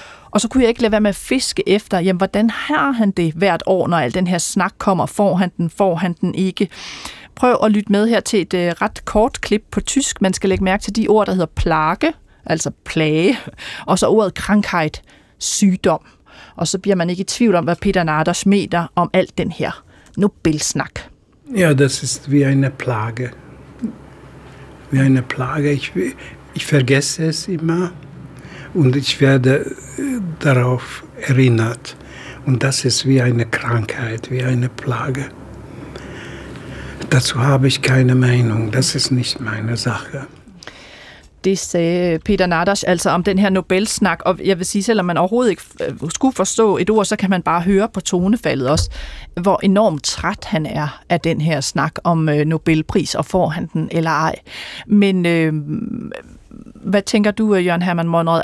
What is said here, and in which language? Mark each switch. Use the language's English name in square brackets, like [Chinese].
[Danish] Og så kunne jeg ikke lade være med at fiske efter, jamen, hvordan har han det hvert år, når al den her snak kommer? Får han den? Får han den ikke? Prøv at lytte med her til et ret kort klip på tysk. Man skal lægge mærke til de ord, der hedder plage, altså plage, og så ordet krankheit, sygdom. Og så bliver man ikke i tvivl om, hvad Peter Natters mener om alt den her Nobelsnak. [German] Ja, das ist wie eine plage. Wie eine plage. Ich vergesse es immer. Und ich werde darauf erinnert. Und das ist wie eine Krankheit, wie eine Plage. Dazu habe ich keine Meinung. Das ist nicht meine Sache. [Danish] Det sagde Peter Natters altså om den her Nobelsnak. Og jeg vil sige, selvom man overhovedet ikke skulle forstå et ord, så kan man bare høre på tonefaldet også, hvor enormt træt han er af den her snak om Nobelpris, og får han den eller ej. Men hvad tænker du, Jørgen Hermann Monrad?